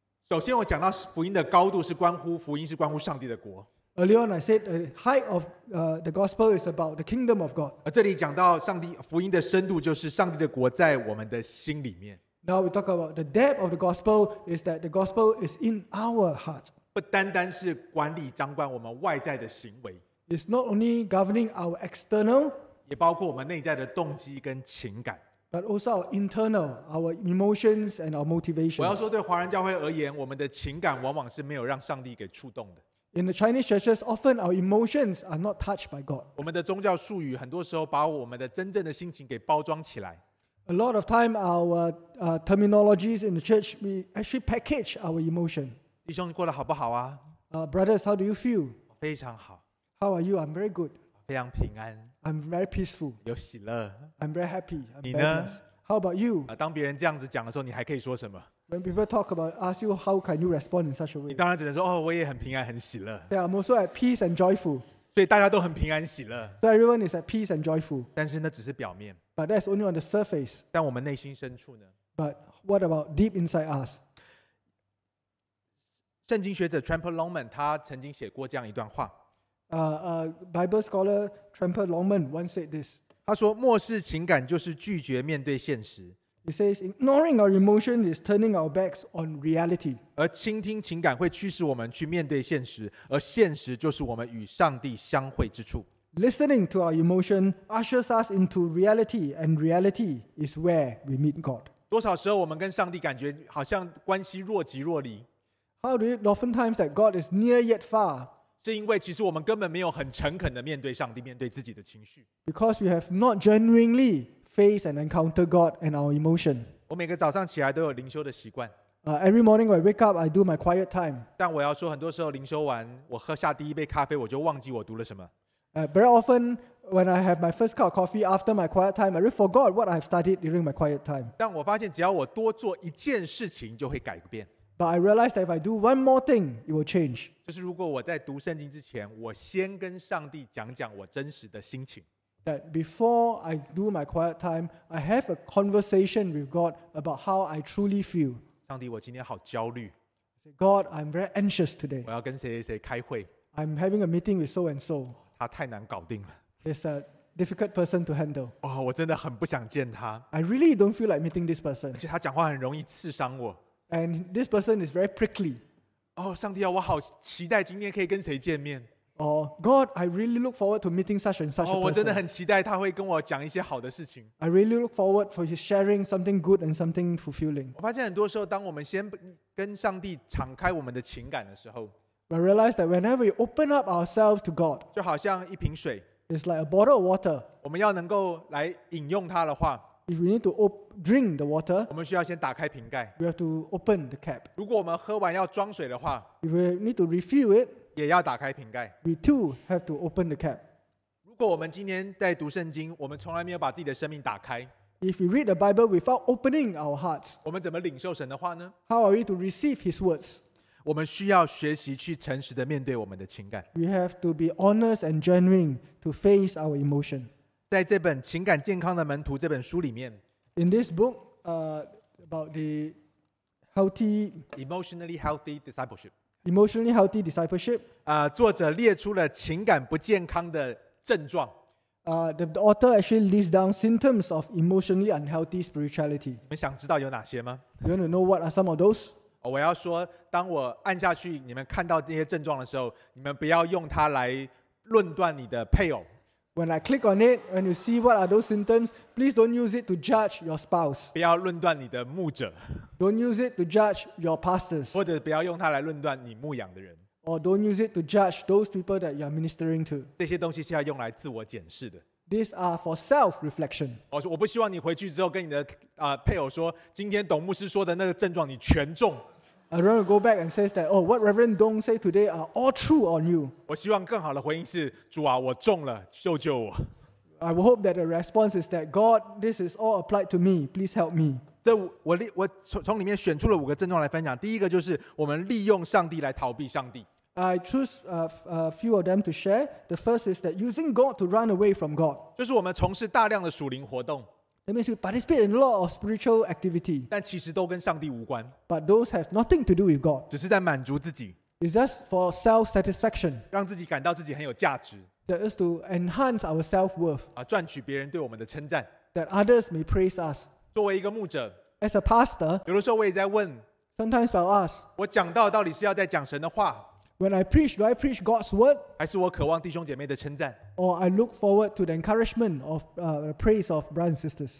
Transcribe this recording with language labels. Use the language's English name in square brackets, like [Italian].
[Chinese] 首先我讲到福音的高度是关乎福音是关乎上帝的国。 [English] Earlier on, I said the height of the gospel is about the kingdom of God. [Chinese] 这里讲到上帝福音的深度，就是上帝的国在我们的心里面。 [English] Now we talk about the depth of the gospel is that the gospel is in our heart. [Chinese] 不单单是管理掌管我们外在的行为。 [English] It's not only governing our external, [Chinese] 也包括我们内在的动机跟情感。 [English] But also our internal, our emotions and our motivations. [Chinese] 我要说，对华人教会而言，我们的情感往往是没有让上帝给触动的。 [English] In the Chinese churches, often our emotions are not touched by God. [Chinese] 我们的宗教术语很多时候把我们的真正的心情给包装起来。 [English] A lot of time, our terminologies in the church, we actually package our emotion. [Chinese] 弟兄，过得好不好啊？ [English] Brothers, how do you feel? [Chinese] 非常好。 [English] How are you? I'm very good. [Chinese] 非常平安。 [English] I'm very peaceful. [Chinese] 有喜乐。 [English] I'm very happy. I'm [Chinese] 你呢？ [English] How about you? [Chinese] 当别人这样子讲的时候，你还可以说什么？ [English] When people talk about, ask you how can you respond in such a way? [Chinese] 你当然只能说，哦，我也很平安，很喜乐。 [English] Yeah, I'm also at peace and joyful. [Chinese] 所以大家都很平安喜乐。 [English] So everyone is at peace and joyful. [Chinese] 但是那只是表面。 [English] But that's only on the surface. [Chinese] 但我们内心深处呢？ [English] But what about deep inside us? [Chinese] 圣经学者 Tramper Longman 他曾经写过这样一段话。 [English] Bible scholar Tramper Longman once said this. [Chinese] 他说，末世情感就是拒绝面对现实。 [English] He says, ignoring our emotion is turning our backs on reality. [Chinese] 而倾听情感会驱使我们去面对现实，而现实就是我们与上帝相会之处。 [English] Listening to our emotion ushers us into reality, and reality is where we meet God. [Chinese] 多少时候我们跟上帝感觉好像关系若即若离？ [English] How do you often times that God is near yet far? [Chinese] 是因为其实我们根本没有很诚恳的面对上帝，面对自己的情绪。 [English] Because we have not genuinely. Face and encounter God and our emotion. [Chinese] 我每个早上起来都有灵修的习惯。 [English] Every morning when I wake up, I do my quiet time. [Chinese] 但我要说，很多时候灵修完，我喝下第一杯咖啡，我就忘记我读了什么。 [English] Very often when I have my first cup of coffee after my quiet time, I really forgot what I have studied during my quiet time. [Chinese] 但我发现，只要我多做一件事情，就会改变。 [English] But I realize that if I do one more thing, it will change. [Chinese] 就是如果我在读圣经之前，我先跟上帝讲讲我真实的心情。 [English] That before I do my quiet time, I have a conversation with God about how I truly feel. [Chinese] 上帝，我今天好焦虑。 [English] God, I'm very anxious today. [Chinese] 我要跟谁谁开会。 [English] I'm having a meeting with so and so. [Chinese] 他太难搞定了。 [English] He's a difficult person to handle. [Chinese] 哦，我真的很不想见他。 [English] I really don't feel like meeting this person. [Chinese] 而且他讲话很容易刺伤我。 [English] And this person is very prickly. [Chinese] 哦，上帝啊，我好期待今天可以跟谁见面。 [English] Oh, God, I really look forward to meeting such and such a person. [Chinese] 我真的很期待他会跟我讲一些好的事情。 [English] I really look forward for his sharing something good and something fulfilling. [Chinese] 我发现很多时候，当我们先跟上帝敞开我们的情感的时候 [English] ，I realize that whenever we open up ourselves to God, [Chinese] 就好像一瓶水 [English] ，it's like a bottle of water. [Chinese] 我们要能够来饮用它的话 [English] ，if we need to drink the water, [Chinese] 我们需要先打开瓶盖 [English] ，we have to open the cap. [Chinese] 如果我们喝完要装水的话 [English] ，if we need to refill it. [Chinese] 也要打开瓶盖。 [English] We too have to open the cap. [Chinese] 如果我们今天在读圣经，我们从来没有把自己的生命打开。 [English] If we read the Bible without opening our hearts, [Chinese] 我们怎么领受神的话呢 [English] ？How are we to receive His words? [Chinese] 我们需要学习去诚实的面对我们的情感。 [English] We have to be honest and genuine to face our emotion. [Chinese] 在这本《情感健康的门徒》这本书里面 [English] ，In this book, about the healthy emotionally healthy discipleship. Emotionally healthy discipleship. [Chinese] 作者列出了情感不健康的症状。 [English] The author actually lists down symptoms of emotionally unhealthy spirituality. [Chinese] 你们想知道有哪些吗 [English] ？You want to know what are some of those? [Chinese] 我要说，当我按下去，你们看到这些症状的时候，你们不要用它来论断你的配偶。 [English] When I click on it, when you see what are those symptoms, please don't use it to judge your spouse. [Chinese] 不要论断你的牧者。 [English] Don't use it to judge your pastors. [Chinese] 或者不要用它来论断你牧养的人。 [English] Or don't use it to judge those people that you are ministering to. [Chinese] 这些东西是要用来自我检视的。 [English] These are for self-reflection. [Chinese] 我不希望你回去之后跟你的配偶说，今天董牧师说的那个症状你全中。 [English] I don't want to go back and say that, oh, what Reverend Dong said today are all true on you. [Chinese] 我希望更好的回应是，主啊，我中了，救救我。 [English] I will hope that the response is that God, this is all applied to me. Please help me. [Chinese] 这 我从里面选出了五个症状来分享。第一个就是我们利用上帝来逃避上帝。 [English] I choose a few of them to share. The first is that using God to run away from God. [Chinese] 就是我们从事大量的属灵活动。 [English] That means we participate in a lot of spiritual activity. [Chinese] 但其实都跟上帝无关。 [English] But those have nothing to do with God. [Chinese] 只是在满足自己。 [English] It's just for self-satisfaction. [Chinese] 让自己感到自己很有价值。 [English] That is to enhance our self-worth. [Chinese] 啊，赚取别人对我们的称赞。 [English] That others may praise us. [Chinese] 作为一个牧者。 [English] As a pastor. [Chinese] 有的时候我也在问。 [English] Sometimes I'll ask. [Chinese] 我讲道到底是要在讲神的话。 [English] When I preach, do I preach God's word? [Chinese] 还是我渴望弟兄姐妹的称赞？ [English] Or I look forward to the encouragement of the praise of brothers and sisters.